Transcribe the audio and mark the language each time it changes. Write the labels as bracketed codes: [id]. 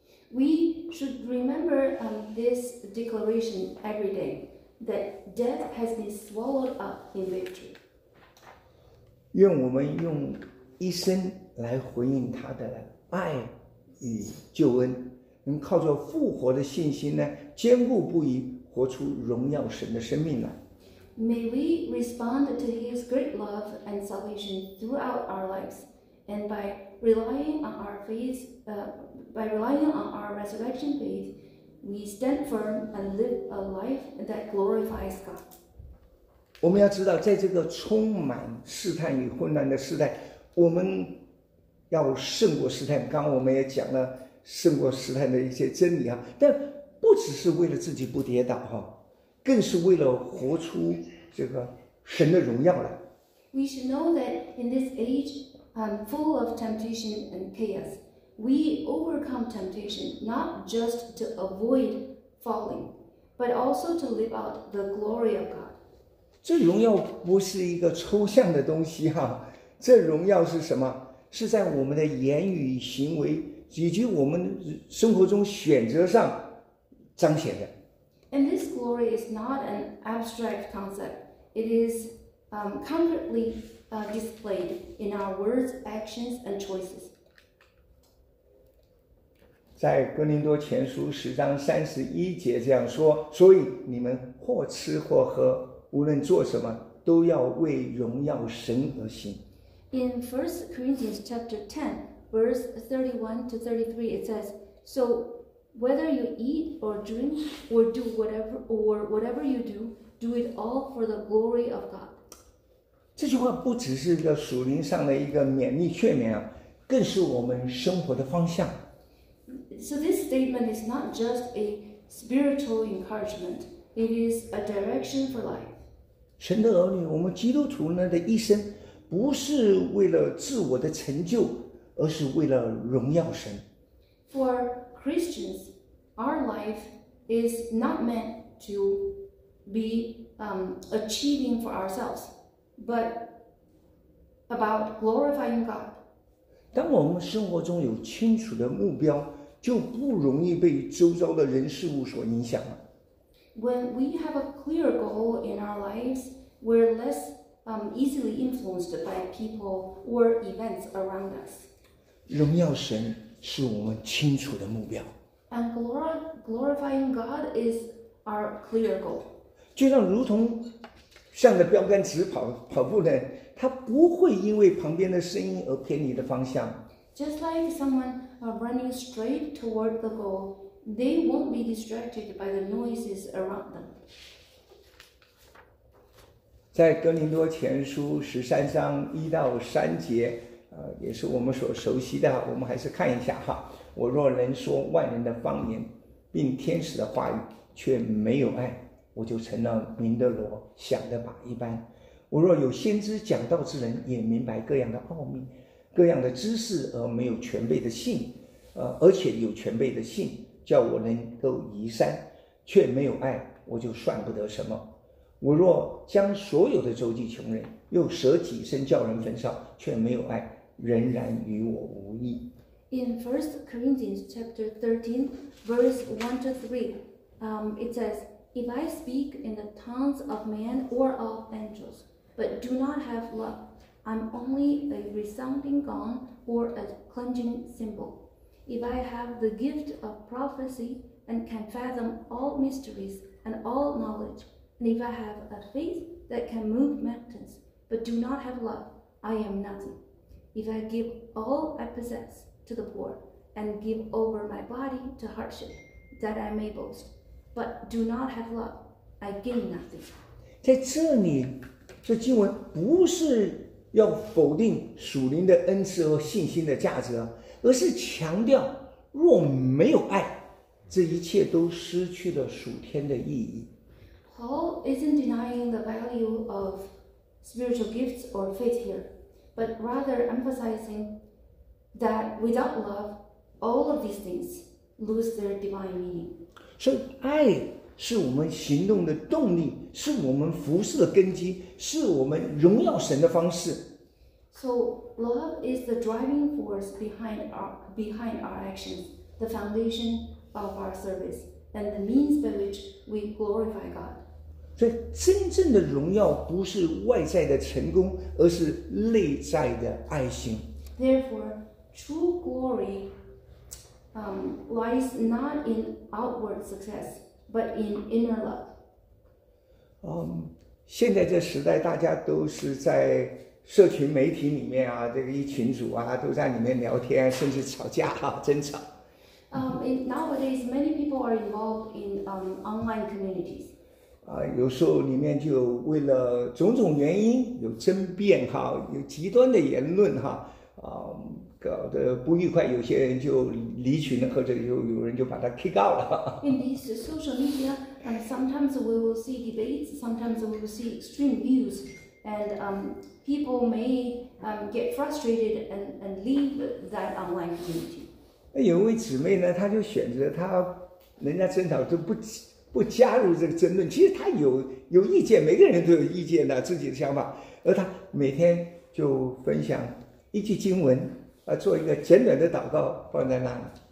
[en] We should remember this declaration every day that death has been swallowed up in victory. [zh] 愿我们用一生来回应他的爱与救恩，能靠着复活的信心呢，坚固不移，活出荣耀神的生命来。 [en] May we respond to His great love and salvation throughout our lives, and by relying on our faith, by relying on our resurrection faith, we stand firm and live a life that glorifies God. [zh] 我们要知道，在这个充满试探与混乱的时代，我们要胜过试探。刚刚我们也讲了胜过试探的一些真理啊，但不只是为了自己不跌倒哈。更是为了活出这个神的荣耀来。 [en] We should know that in this age, full of temptation and chaos, we overcome temptation not just to avoid falling, but also to live out the glory of God. [zh] 这荣耀不是一个抽象的东西哈，这荣耀是什么？是在我们的言语、行为以及我们生活中选择上彰显的。 [en] And this glory is not an abstract concept. It is concretely displayed in our words, actions, and choices. [zh] 在哥林多前书十章三十一节这样说，所以你们或吃或喝，无论做什么，都要为荣耀神而行。 [en] In 1 Corinthians chapter 10, verse 31 to 33, it says, So,Whether you eat or drink or do whatever you do, do it all for the glory of God. [zh] 这句话不只是一个属灵上的一个勉励劝勉啊，更是我们生活的方向。 [en] So this statement is not just a spiritual encouragement, it is a direction for life. [zh] 神的儿女，我们基督徒呢的一生不是为了自我的成就，而是为了荣耀神。 [en] For Christians, our life is not meant to be achieving for ourselves, but about glorifying God. [zh] 当我们生活中有清楚的目标，就不容易被周遭的人事物所影响了。 [en] When we have a clear goal in our lives, we're less easily influenced by people or events around us. [zh] 荣耀神是我们清楚的目标。 [en] And glorifying God is our clear goal. [zh] 就像如同向着标杆直跑，跑步呢，他不会因为旁边的声音而偏离的方向。 [en] Just like someone running straight toward the goal, they won't be distracted by the noises around them. [zh] 在哥林多前书十三章一到三节，也是我们所熟悉的，我们还是看一下哈。我若能说万人的方言，并天使的话语，却没有爱，我就成了鸣的锣，响的靶一般。我若有先知讲道之能，也明白各样的奥秘。各样的知识而没有全备的信，而且有全备的信，叫我能够移山，却没有爱，我就算不得什么。我若将所有的周济穷人，又舍己身叫人焚烧，却没有爱，仍然与我无益。 [en] In 1 Corinthians chapter 13, verse 1 to 3, it says, If I speak in the tongues of man or of angels, but do not have love,I'm only a resounding gong or a clanging cymbal. If I have the gift of prophecy and can fathom all mysteries and all knowledge, and if I have a faith that can move mountains, but do not have love, I am nothing. If I give all I possess to the poor and give over my body to hardship, that I may boast, but do not have love, I gain nothing. [zh] 在这里，这经文不是要否定属灵的恩赐和信心的价值，而是强调若没有爱，这一切都失去了属天的意义。 [en] Paul isn't denying the value of spiritual gifts or faith here, but rather emphasizing that without love, all of these things lose their divine meaning. [zh] 所以爱是我们行动的动力，是我们服事的根基，是我们荣耀神的方式。 [en] So love is the driving force behind our actions, the foundation of our service, and the means by which we glorify God. [zh] 所以真正的荣耀不是外在的成功，而是内在的爱心。 [en] Therefore, true glory lies not in outward success. But in inner love. [zh] 现在这时代大家都是在社群媒体里面啊，这个一群组啊，都在里面聊天，甚至吵架啊，争吵。 [en] Nowadays, many people are involved in online communities. [zh] 有时候里面就为了种种原因有争辩哈，有极端的言论哈，搞得不愉快，有些人就离群了，或者有人就把他 [en] kick out [zh] 了。 [en] In these social media, sometimes we will see debates, sometimes we will see extreme views, and people may get frustrated and leave that online community. [zh] 有位姊妹呢，她就选择她人家争吵就不加入这个争论，其实她有意见，每个人都有意见的，自己的想法，而她每天就分享一句经文。做一个简短的祷告放在那里。